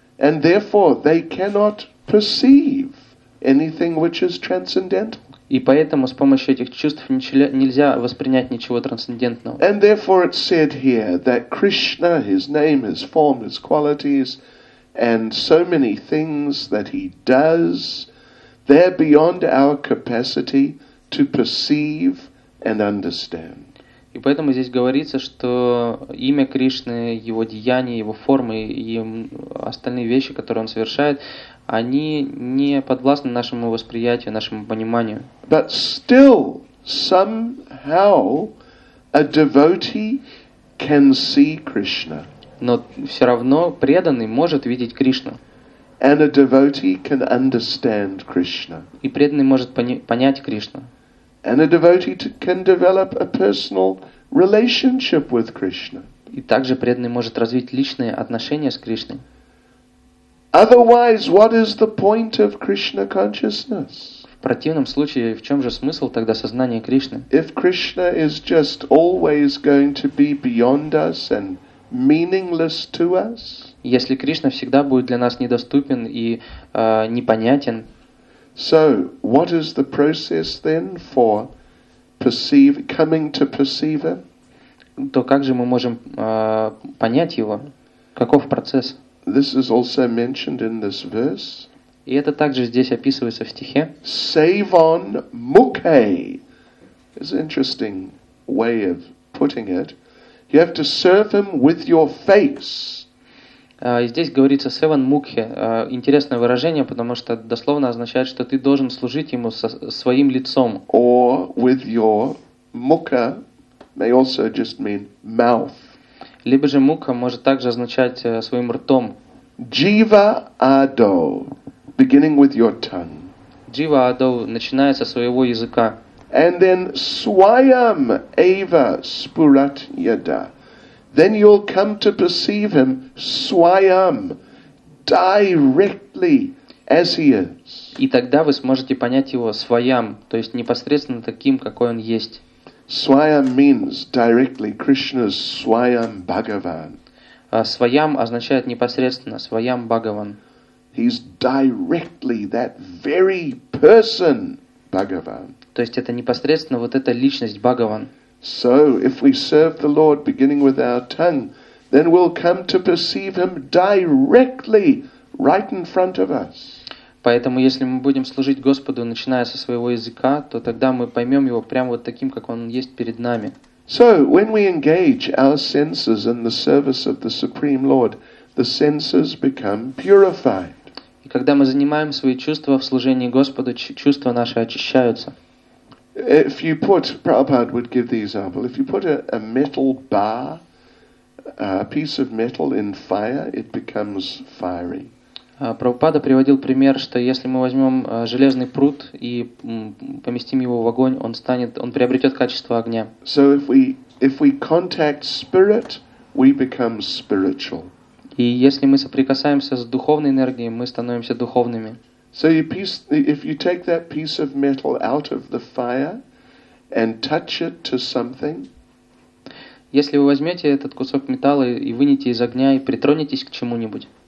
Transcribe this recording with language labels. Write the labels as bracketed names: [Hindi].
[English] And therefore they cannot perceive anything which is transcendental. [Russian] И поэтому с помощью этих чувств нельзя воспринять ничего трансцендентного. [English] And therefore it's said here that Krishna, his name, his form, his qualities, and so many things that he does, they're beyond our capacity to perceive and understand. [Russian] И поэтому здесь говорится, что имя Кришны, его деяния, его формы и остальные вещи, которые он совершает, они не подвластны нашему восприятию, нашему пониманию. [English] But still, somehow, a devotee can see Krishna. [Russian] Но все равно преданный может видеть Кришну. [English] And a devotee can understand Krishna. [Russian] И преданный может понять Кришну. [English] And a devotee can develop a personal relationship with Krishna. [Russian] И также преданный может развить личные отношения с Кришной. [English] Otherwise, what is the point of Krishna consciousness? [Russian] В противном случае, в чем же смысл тогда сознания Кришны? [English] If Krishna is just always going to be beyond us and meaningless to us? [Russian] Если Кришна всегда будет для нас недоступен и непонятен. [English] So, what is the process then for coming to perceive him? [Russian] То как же мы можем понять его? Каков процесс? [English] This is also mentioned in this verse. [Russian] И это также здесь описывается в стихе. [English] Sevan mukhe is an interesting way of putting it. You have to serve him with your face. [Russian] Здесь говорится «севан мукхе». Интересное выражение, потому что дословно означает, что ты должен служить ему со своим лицом. [English] Or with your mukha may also just mean mouth. [Russian] Либо же мукха может также означать своим ртом. [English] Jiva ado, beginning with your tongue. [Russian] Jiva ado, начиная со своего языка. [English] And then [Sanskrit] swayam eva spurat yada. [English] Then you'll come to perceive him swayam, directly as he is. [Russian] И тогда вы сможете понять его свайам, то есть непосредственно таким, какой он есть. [English] Swayam means directly Krishna's swayam Bhagavan. [Russian] Свайам означает непосредственно свайам Бхагаван. [English] He's directly that very person Bhagavan. [Russian] То есть это непосредственно вот эта личность Бхагаван. [English] So, if we serve the Lord beginning with our tongue, then we'll come to perceive Him directly, right in front of us. [Russian] Поэтому, если мы будем служить Господу, начиная со своего языка, то тогда мы поймем Его прямо вот таким, как Он есть перед нами. [English] So, when we engage our senses in the service of the Supreme Lord, the senses become purified. [Russian] И когда мы занимаем свои чувства в служении Господу, чувства наши очищаются. [English] If you put, Prabhupada would give the example, if you put a metal bar, a piece of metal in fire, it becomes fiery. [Russian] Прабхупада приводил пример, что если мы возьмем железный прут и поместим его в огонь, он приобретет качество огня. [English] So if we contact spirit, we become spiritual. [Russian] И если мы соприкасаемся с духовной энергией, мы становимся духовными. [English] So if you take that piece of metal out of the fire and touch it to something, [Russian] если вы возьмете этот кусок металла и вынете из огня и притронетесь к чему-нибудь,